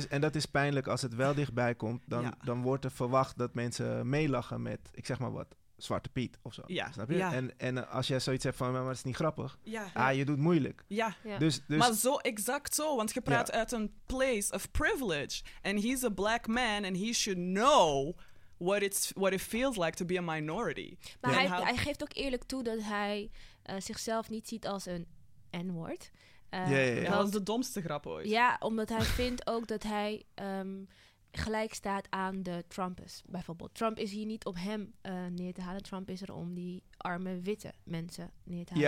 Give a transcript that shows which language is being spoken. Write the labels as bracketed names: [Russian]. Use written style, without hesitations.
[Dutch] En dat is pijnlijk als het wel dichtbij komt. Dan wordt er verwacht dat mensen meelachen met, ik zeg maar wat... Zwarte Piet of zo. Ja. Snap je? Ja. En als jij zoiets hebt van, maar het is niet grappig. Ja. Ah, je doet moeilijk. Ja. Dus maar zo, exact zo. Want je praat uit een [English] place of privilege. And he's a black man. And he should know what it feels like to be a minority. [Dutch] Maar hij geeft ook eerlijk toe dat hij zichzelf niet ziet als een N-word. Dat is de domste grap ooit. Ja, omdat hij vindt ook dat hij... gelijk staat aan de Trumpers, bijvoorbeeld. Trump is hier niet om hem neer te halen. Trump is er om die arme witte mensen neer te halen.